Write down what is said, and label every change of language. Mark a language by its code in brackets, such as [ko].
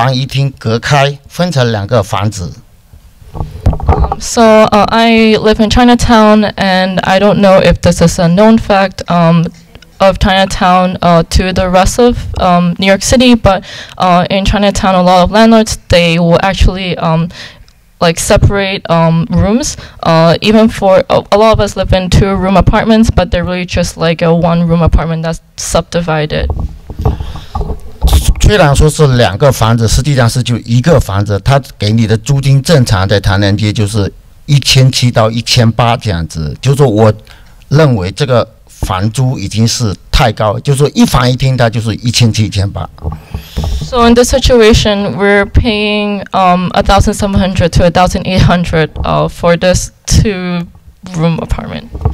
[zh] 我住在那唐人街，就是川的唐。然后就说，我不知道你们明不明白唐人街有一个就是说，大家都知道的事实，就是说房东经常会就是说跟你说是两房一厅租给你，但实际上他的房子就是一房一厅隔开，分成两个房子。 [en] So I live in Chinatown, and I don't know if this is a known fact of Chinatown to the rest of New York City, but in Chinatown, a lot of landlords, they will actually separate rooms. Even for a lot of us live in two-room apartments, but they're really just like a one-room apartment that's subdivided. [zh] 虽然说是两个房子，实际上是就一个房子。他给你的租金正常在唐人街就是1700到1800这样子，就是我认为这个房租已经是太高，就是一房一厅它就是1700到1800。So [en] in this situation, we're paying $1,700 to $1,800 for this two-room apartment.